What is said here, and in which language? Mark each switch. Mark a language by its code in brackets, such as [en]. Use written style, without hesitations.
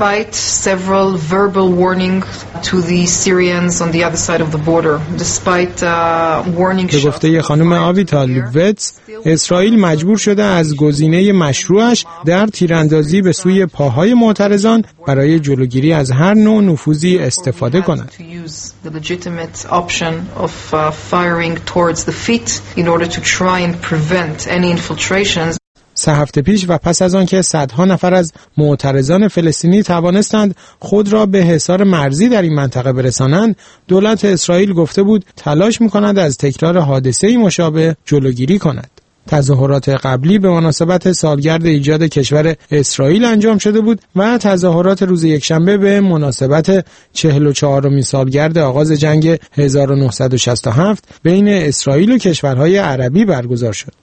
[en] Despite several verbal warnings to the Syrians on the other side of the border, despite warning shots. [fa] به گفته خانم آویتال ویتز، اسرائیل مجبور شده از گزینه مشروعش در تیراندازی به سوی پاهای معترضان برای جلوگیری از هر نوع نفوذی استفاده کند. [en] The legitimate option of firing towards the feet in order to try and prevent any infiltrations. [fa] سه هفته پیش و پس از آن که صدها نفر از معترضان فلسطینی توانستند خود را به حصار مرزی در این منطقه برسانند، دولت اسرائیل گفته بود تلاش می‌کند از تکرار حادثه‌ای مشابه جلوگیری کند. تظاهرات قبلی به مناسبت سالگرد ایجاد کشور اسرائیل انجام شده بود و تظاهرات روز یکشنبه به مناسبت 44مین سالگرد آغاز جنگ 1967 بین اسرائیل و کشورهای عربی برگزار شد.